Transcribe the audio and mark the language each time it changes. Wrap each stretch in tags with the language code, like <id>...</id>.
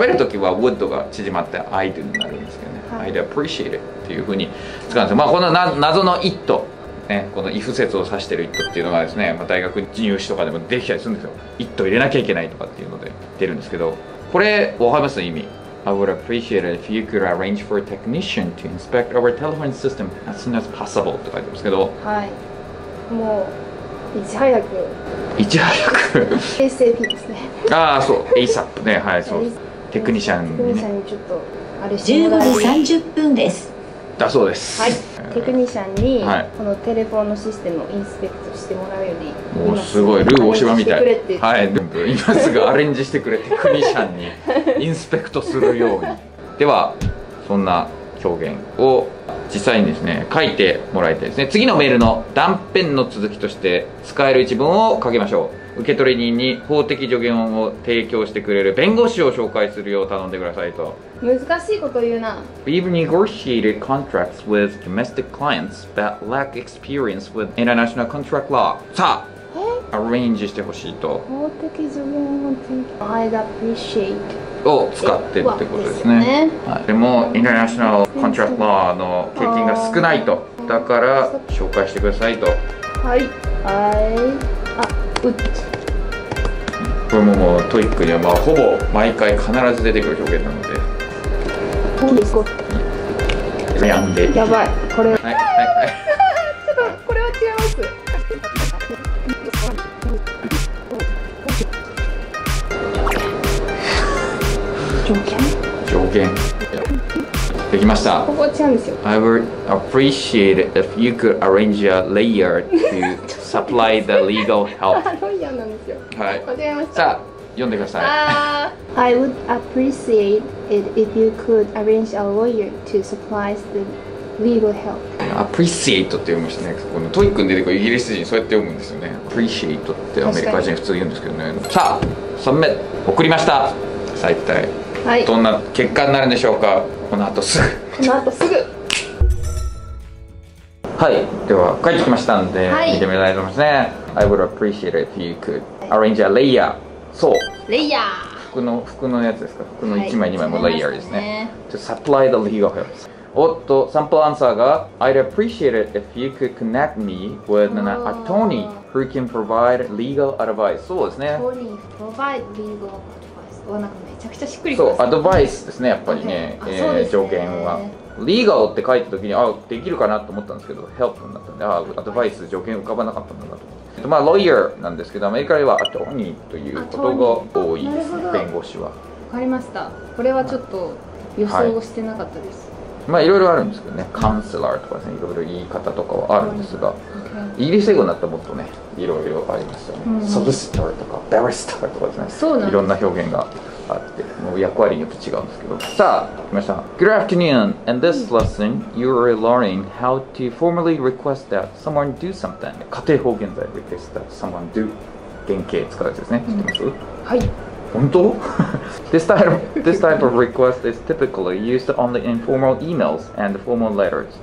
<ja>喋るときは would が縮まって I do になるんですけどね、はい、</ja> <en>I'd appreciate it</en> <ja>っていうふうに使うんですよ。まあこの謎の it、ね、この if 説を指してる it っていうのがですね、まあ、大学入試とかでもできたりするんですよ。 it 入れなきゃいけないとかっていうので出るんですけど、これわかります意味。</ja> <en>I would appreciate it if you could arrange for a technician to inspect our telephone system as soon as possible って書いてますけど、</en> <ja>はい、もういち早く ASAP ですね。ああ、そう ASAP ね、はい、そうテクニシャンに、ね、テクニシャンにちょっとあれしてもらえる。 15時30分ですだそうです。はい、テクニシャンにこのテレフォンのシステムをインスペクトしてもらうように、もうすごいルー大柴みたい、はい、全部今すぐアレンジしてくれテクニシャンにインスペクトするようにではそんな表現を実際にですね書いてもらいたいですね。次のメールの断片の続きとして使える一文を書きましょう。受け取り人に法的助言を提供してくれる弁護士を紹介するよう頼んでくださいと。難しいこと言うな。</ja> <en>We've negotiated contracts with domestic clients that lack experience with international contract law.</en> <ja>さあアレンジしてほしいと。法的助言を提供、</ja> <en>I'd appreciate</en> <ja>を使ってってことですね。はい、でもインターナショナルコントラクトの経験が少ないと、だから紹介してくださいと。はい、はい、あ、うっ、これももうトイックにはまあほぼ毎回必ず出てくる表現なので、ほんと行こう、悩んで、やばい、これ、はいはい、ちょっとこれは違います条件。できました。ここ違うんですよ。</ja> <en>I would appreciate it if you could arrange a lawyer to supply the legal help.</en> <ja>ロイヤーなんですよ。はい、間違えました。さあ読んでください。</ja> <en>I would appreciate it if you could arrange a lawyer to supply the legal help.</en> <ja>Appreciate って読むしね。このトイックに出てくるイギリス人そうやって読むんですよね。Appreciate ってアメリカ人普通言うんですけどね。さあ、サブメット送りました。さあ一体、はい、どんな結果になるんでしょうか。この後すぐ。この後すぐ。はい、では帰ってきましたんで、はい、見てみたいと思いますね。</ja> <en>I would appreciate it if you could arrange a lawyer.</en> <ja>そう、レイヤー、服のやつですか。服の1枚2枚もレイヤーですね。</ja> <en>To supply the legal help。</en> <ja>おっと、サンプルアンサーが</ja> <en>I'd appreciate it if you could connect me with an attorney who can provide legal advice。</en> <ja>そうですね、</ja> <en>Attorney provide legal advice。</en> <ja>なんかめちゃくちゃしっくりくる。そう、アドバイスですね、やっぱりね。そうですね、条件はリーガルって書いた時に、あ、できるかなと思ったんですけど、ヘルプになったんで、あ、アドバイス、条件浮かばなかったんだなと思って。まあ、ロイヤーなんですけど、アメリカではアトーニーということが多いですね、弁護士は。わかりました。これはちょっと予想をしてなかったです。はい、まあ、いろいろあるんですけどね、カウンセラーとかですね、いろいろ言い方とかはあるんですが、イギリス英語になったらもっとね、いろいろありますよね。ソリシターとか、バリスターとかですね。そうなんです。いろんな表現があって、もう役割によって違うんですけど。さあ、来ました。</ja> <en>Good afternoon. In this lesson, you are learning how to formally request that someone do something.</en> <ja>仮定方言在</ja> <en>request that someone do.</en> <ja>原型使うやつですね。知ってます？はい。本当？</ja> <en>this type of request is typically used only in formal emails and formal letters.</en>